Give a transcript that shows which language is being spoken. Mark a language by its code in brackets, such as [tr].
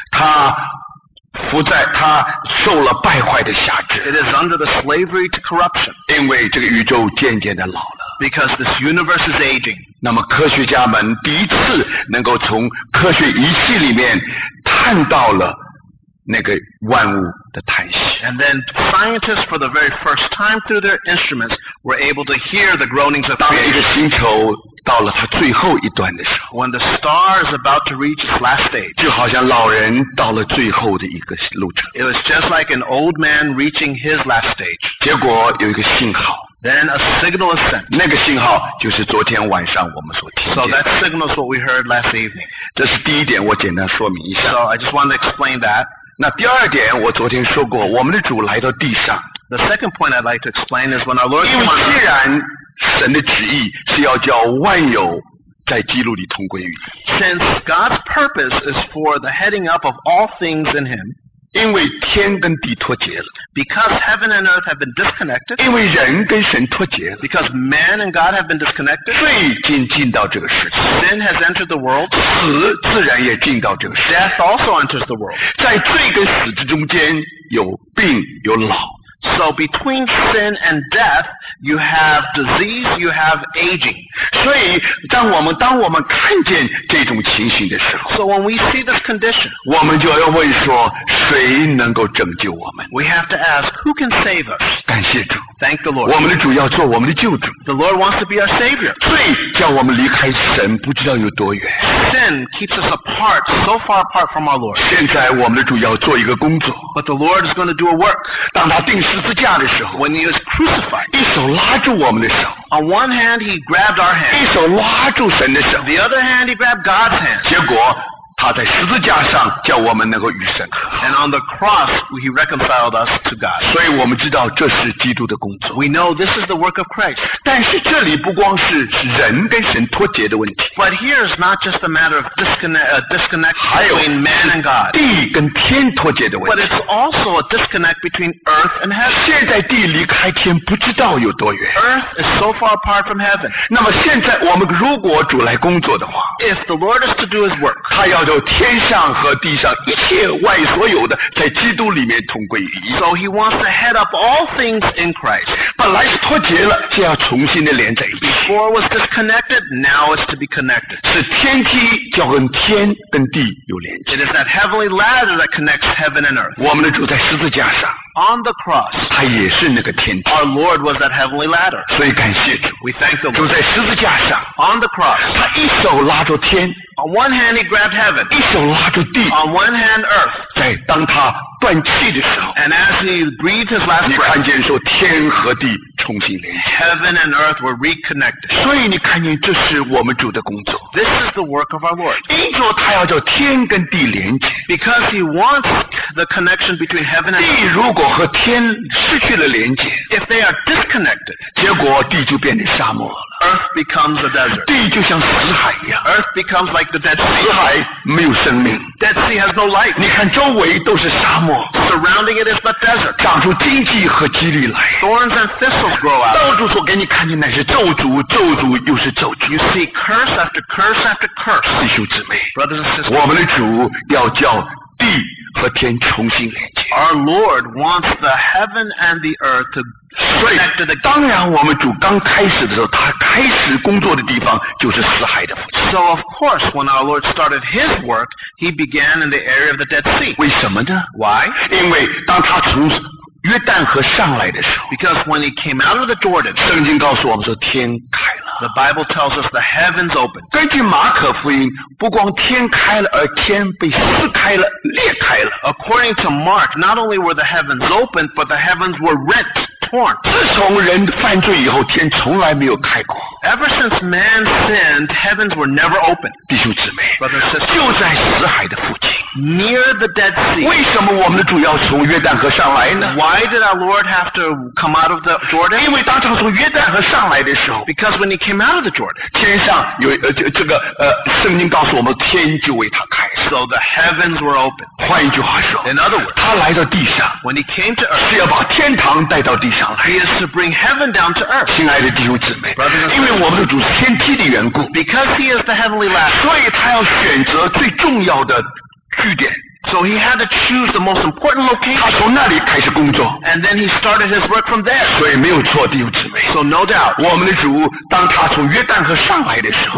[zh] 它浮在，它受了败坏的辖制。 [en] It is under the slavery to corruption. [zh] 因为这个宇宙渐渐的老了。 [en] Because this universe is aging. [zh] 那么科学家们第一次能够从科学仪器里面探到了那个万物的叹息。 [en] And then scientists for the very first time through their instruments were able to hear the groanings of creation. [zh] 当一个星球到了它最后一段的时候。 [en] When the star is about to reach its last stage. [zh] 就好像老人到了最后的一个路程。 [en] It was just like an old man reaching his last stage. [zh] 结果有一个信号。 [en] Then a signal is sent. [zh] 那个信号就是昨天晚上我们所听见的。 [en] So that signal is what we heard last evening. [zh] 这是第一点，我简单说明一下。 [en] So I just want to explain that. [zh] 那第二点，我昨天说过，我们的主来到地上。 [en] The second point I'd like to explain is when our Lord came. [zh] 因为既然神的旨意是要叫万有在基督里同归于。 [en] Since God's purpose is for the heading up of all things in Him. [zh] 因为天跟地脱节了 [en] Because heaven and earth have been disconnected [zh] 因为人跟神脱节了 [en] Because man and God have been disconnected [zh] 罪竟进到这个世界 [en] Sin has entered the world [zh] 死自然也进到这个世界 [en] Death also enters the world [zh] 在罪跟死之中间有病有老 [en] So between sin and death you have disease, you have aging [zh] 所以当我们看见这种情形的时候 [en] So when we see this condition [zh] 我们就要问说谁能够拯救我们 [en] We have to ask, who can save us? [zh] 感谢主 [en] Thank the Lord [zh] 我们的主要做我们的救主 [en] The Lord wants to be our Savior [zh] 罪叫我们离开神不知道有多远 [en] Sin keeps us apart, so far apart from our Lord [zh] 现在我们的主要做一个工作 [en] But the Lord is going to do a work [zh] 当他钉十字架的时候 [en] When he is crucified [zh] 一手拉住我们的手 [en] On one hand, he grabbed our hand [zh] 一手拉住神的手 [en] The other hand, he grabbed God's hand [zh] 结果他在十字架上叫我们能够与神和好。 [en] And on the cross, he reconciled us to God. [zh] 所以我们知道这是基督的工作。 [en] We know this is the work of Christ. [zh] 但是这里不光是人跟神脱节的问题。 [en] But here is not just a matter of disconnect between man and God. [zh] 地跟天脱节的问题。 [en] But it's also a disconnect between earth and heaven. [zh] 现在地离开天不知道有多远。 [en] Earth is so far apart from heaven. [zh] 那么现在我们如果主来工作的话。 [en] If the Lord is to do his work. [zh] 他要就天上和地上一切外所有的在基督里面同归于一 [en] So he wants to head up all things in Christ [zh] 本来是脱节了现在要重新的连在一起 [en] Before was disconnected Now it's to be connected [zh] 是天梯就跟天跟地有连接 [en] It is that heavenly ladder that connects heaven and earth [zh] 我们的主在十字架上 [en] On the cross, [zh] 他也是那个天梯 [en] Our Lord was that heavenly ladder [zh] 所以感谢主 [en] We thank the Lord [zh] 主在十字架上 [en] On the cross [zh] 他一手拉着天 [en] On one hand he grabbed heaven [zh] 一手拉着地 [en] On one hand earth [zh] 在当他断气的时候 [en] And as he breathed his last breath [zh] 你看见说天和地重新连接 [en] Heaven and earth were reconnected [zh] 所以你看见这是我们主的工作 [en] This is the work of our Lord [zh] 因着他要叫天跟地连接 [en] Because he wants the connection between heaven and earth [zh] 地如果和天失去了连接 [en] If they are disconnected [zh] 结果地就变成沙漠了 [en] Earth becomes a desert [zh] 地就像死海一样 [en] Earth becomes like the Dead Sea [zh] 死海没有生命 [en] Dead Sea has no life [zh] 你看周围都是沙漠 [en] Surrounding it is but desert [zh] 长出荆棘和蒺藜来 [en] Thorns and thistles [zh] 到处所给你看见乃是咒诅咒诅又是咒诅 [en] You see curse after curse after curse [zh] 弟兄姊妹 [en] Brothers and sisters [zh] 我们的主要叫地和天重新连接 [en] Our Lord wants the heaven and the earth to connect to the God [zh] 当然我们主刚开始的时候他开始工作的地方就是死海的附近 [en] So of course when our Lord started his work he began in the area of the Dead Sea [zh] 为什么呢 [en] Why? [zh] 因为当他从约旦河上来的时候 [en] Because when he came out of the Jordan [zh] 圣经告诉我们说天开了 [en] The Bible tells us the heavens opened [zh] 根据马可福音不光天开了而天被撕开了裂开了 [en] According to Mark not only were the heavens opened but the heavens were rent torn [zh] 自从人犯罪以后天从来没有开过 [en] Ever since man sinned heavens were never opened [zh] 弟兄姊妹 [en] Brother, sister, [zh] 就在死海的附近 [en] Near the Dead Sea [zh] 为什么我们的主要从约旦河上来呢 [en] Why did our Lord have to come out of the Jordan? [zh] 因为当他从约旦河上来的时候 [en] Because when he came out of the Jordan [zh] 天上有这个圣经告诉我们天就为他开 [en] So the heavens were open [zh] 换一句话说 [en] In other words [zh] 他来到地上 [en] When he came to earth [zh] 是要把天堂带到地上来 [en] He is to bring heaven down to earth [zh] 亲爱的弟兄姊妹 [en] Brothers and sisters [zh] 因为我们的主是天梯的缘故 [en] Because he is the heavenly ladder [zh] 所以他要选择最重要的据点 [en] So he had to choose the most important location. [zh] 他从那里开始工作。 [en] And then he started his work from there. [zh] 所以没有错，弟兄姊妹。 [en] So no doubt, [zh] 我们的主当他从约旦河上来的时候